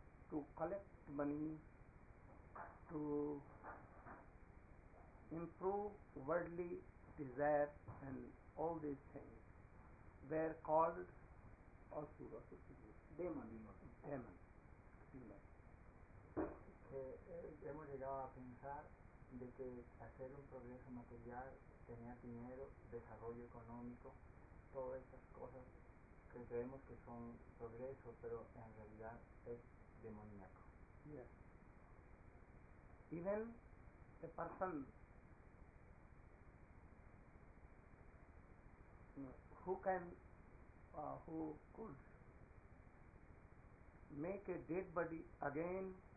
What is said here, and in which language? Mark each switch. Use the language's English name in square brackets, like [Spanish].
[English] to collect money to improve worldly desire and all these things were called asura demon. [Spanish] Hemos llegado a pensar de que hacer un progreso material, tener dinero, desarrollo económico, todas estas cosas que creemos que son progreso, pero en realidad es demoníaco. [English] Yes. Even a person who could make a dead body again